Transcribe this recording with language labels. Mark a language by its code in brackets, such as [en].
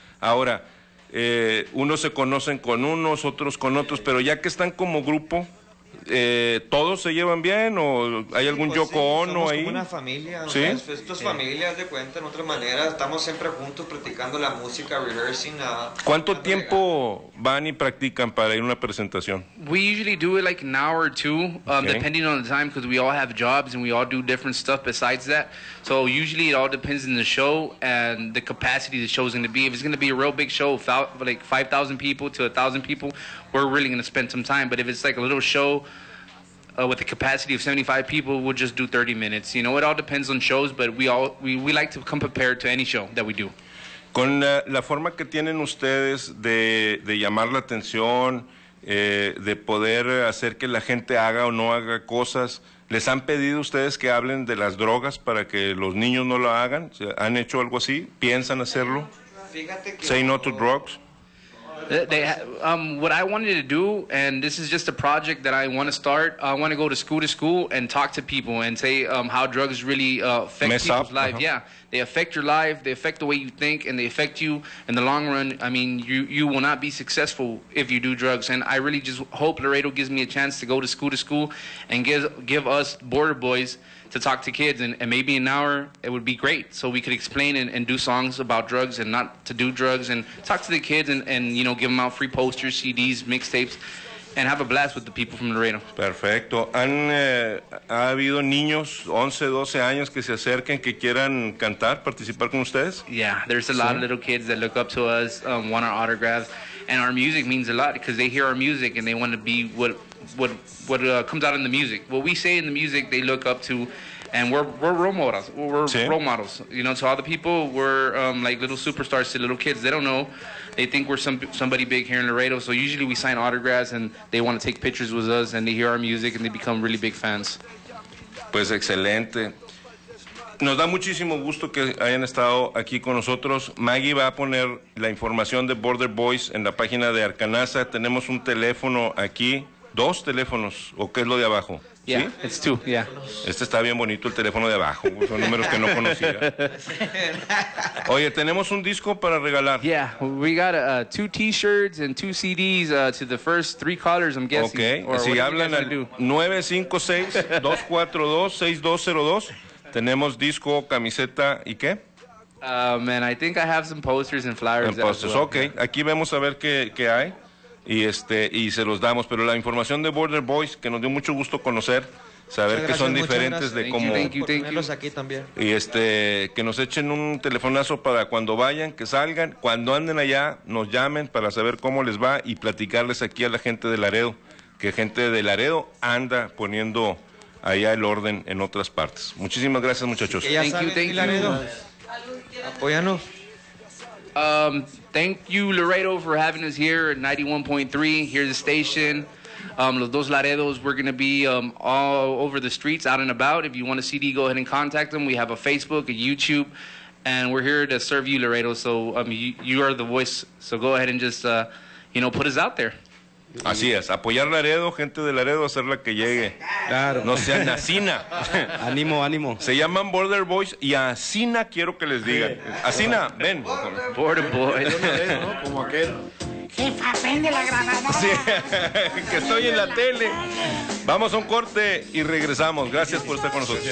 [es] Ahora, unos se conocen con unos, otros con otros, pero ya que están como grupo, ¿todos se llevan bien o hay algún Yoko Ono ahí? Somos como una familia, ¿no? ¿Sí? Esto es familia, de cuenta, en otra manera. Estamos siempre juntos practicando la música, [en] rehearsing. [es] ¿Cuánto tiempo van y practican para ir a una presentación? [en] We usually do it like an hour or two, okay, depending on the time, because we all have jobs and we all do different stuff besides that. So usually it all depends on the show and the capacity the show is going to be. If it's going to be a real big show, like 5,000 people to 1,000 people, we're really going to spend some time. But if it's like a little show with a capacity of 75 people, we'll just do 30 minutes. You know, it all depends on shows, but we like to come prepared to any show that we do. [es] Con la forma que tienen ustedes de llamar la atención, de poder hacer que la gente haga o no haga cosas, ¿les han pedido ustedes que hablen de las drogas para que los niños no lo hagan? ¿Han hecho algo así? ¿Piensan hacerlo? [en] Say no to drugs. What I wanted to do, and this is just a project that I want to start, I want to school and talk to people and say how drugs really affect mess people's up. Life. Uh-huh. Yeah, they affect your life, they affect the way you think, and they affect you in the long run. I mean, you will not be successful if you do drugs, and I really just hope Laredo gives me a chance to go to school and give us border boys to talk to kids, and maybe an hour, it would be great, so we could explain and do songs about drugs and not to do drugs, and talk to the kids and you know, give them out free posters, CDs, mixtapes, and have a blast with the people from Laredo. [es] Perfecto. ¿Ha habido niños 11, 12 años que se acerquen, que quieran cantar, participar con ustedes? [en] Yeah, there's a lot of little kids that look up to us, want our autographs, and our music means a lot because they hear our music and they want to be what comes out in the music. What we say in the music, they look up to, and we're role models. We're role models, you know. So all the people, we're like little superstars to little kids. They don't know. They think we're somebody big here in Laredo. So usually we sign autographs, and they want to take pictures with us, and they hear our music, and they become really big fans. [es] Pues excelente. Nos da muchísimo gusto que hayan estado aquí con nosotros. Maggie va a poner la información de Border Boys en la página de Arcanaza. Tenemos un teléfono aquí. ¿Dos teléfonos o qué es lo de abajo? [en] Yeah, [es] ¿sí? [en] It's two, yeah. [es] Este está bien bonito, el teléfono de abajo. Son números que no conocía. Oye, tenemos un disco para regalar. [en] Yeah, we got two t-shirts and two CDs to the first three callers, I'm guessing. Okay, or [es] si hablan al 956-242-6202, tenemos disco, camiseta y ¿qué? [en] Man, I think I have some posters and flyers. And posters, as well. Okay. Yeah. [es] Aquí vemos a ver qué hay. Y y se los damos, pero la información de Border Boys, que nos dio mucho gusto conocer, saber que son diferentes de cómo tenerlos aquí también. Y que nos echen un telefonazo para cuando vayan, que salgan, cuando anden allá, nos llamen para saber cómo les va y platicarles aquí a la gente de Laredo, que gente de Laredo anda poniendo allá el orden en otras partes. Muchísimas gracias, muchachos. [en] Thank you, Laredo. [es] Apóyanos. [en] Thank you, Laredo, for having us here at 91.3. Here's the station. Los Dos Laredos, we're going to be all over the streets, out and about. If you want a CD, go ahead and contact them. We have a Facebook, a YouTube, and we're here to serve you, Laredo. So you are the voice. So go ahead and just, you know, put us out there. [es] Así es, apoyar Laredo, gente de Laredo, hacer la que llegue. Claro. No sean Asina. Ánimo, ánimo. Se llaman Border Boys y a Asina quiero que les digan. Asina, ven. Border Boys. Como aquel. Jefa, prende la granada. Sí, que estoy en la tele. Vamos a un corte y regresamos. Gracias por estar con nosotros.